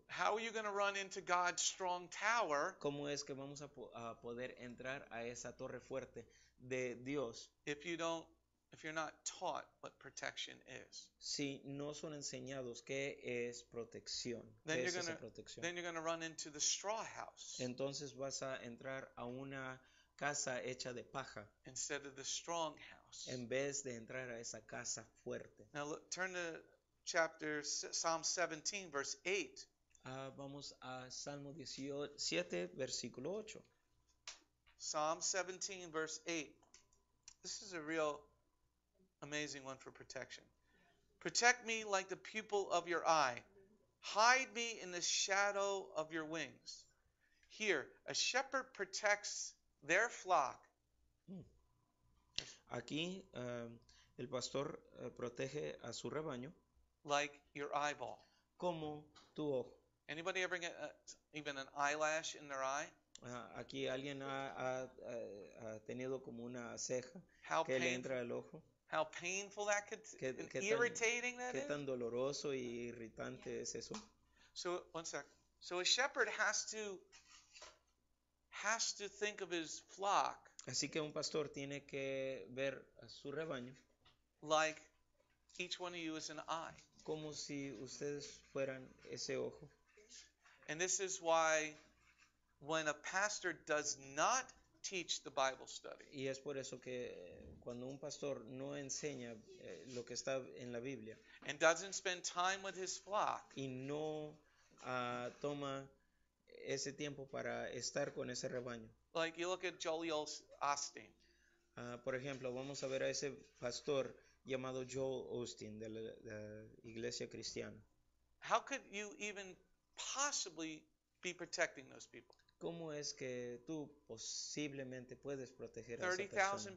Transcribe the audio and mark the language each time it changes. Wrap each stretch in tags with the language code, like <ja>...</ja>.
<en>How are you going to run into God's strong tower?</en> <es>¿Cómo es que vamos a poder entrar a esa torre fuerte de Dios?</es> <en>If you're not taught what protection is.</en> <es>Si no son enseñados qué es protección.</es> <en>Then</en> <es>¿qué es</es> <en>gonna,</en> <es>esa protección?</es> <en>Then you're going to run into the straw house.</en> <es>Entonces vas a entrar a una casa hecha de paja.</es> <en>Instead of the strong house.</en> <es>En vez de entrar a esa casa fuerte.</es> <en>Now look, turn to chapter Psalm 17 verse 8.</en> <es>Vamos a Salmo 17 versículo 8.</es> <en>Psalm 17 verse 8. This is a real amazing one for protection. Protect me like the pupil of your eye. Hide me in the shadow of your wings. Here, a shepherd protects their flock.</en> <es>Aquí, el pastor protege a su rebaño.</es> <en>Like your eyeball.</en> <es>Como tu ojo.</es> <en>Anybody ever get even an eyelash in their eye?</en> <es>Aquí alguien ha tenido como una ceja que le entra al ojo.</es> <en>How painful that could,</en> <es>¿Qué tan,</es> <en>irritating that</en> <es>qué</es> <en>is.</en> <es>Tan doloroso y irritante es eso?</es> <en>So, one sec. So a shepherd has to think of his flock.</en> <es>Así que un pastor tiene que ver a su rebaño.</es> <en>Like each one of you is an eye.</en> <es>Como si ustedes fueran ese ojo.</es> <en>And this is why when a pastor does not teach the Bible study.</en> <es>Y es por eso que cuando un pastor no enseña lo que está en la Biblia.</es> <en>And doesn't spend time with his flock.</en> <es>Y no toma ese tiempo para estar con ese rebaño.</es> <en>Like you look at Joel Osteen.</en> <es>Por ejemplo, vamos a ver a ese pastor llamado Joel Osteen de la Iglesia Cristiana.</es> <en>How could you even possibly be protecting those people?</en> <es>¿Cómo es que tú posiblemente puedes proteger a esa persona?</es>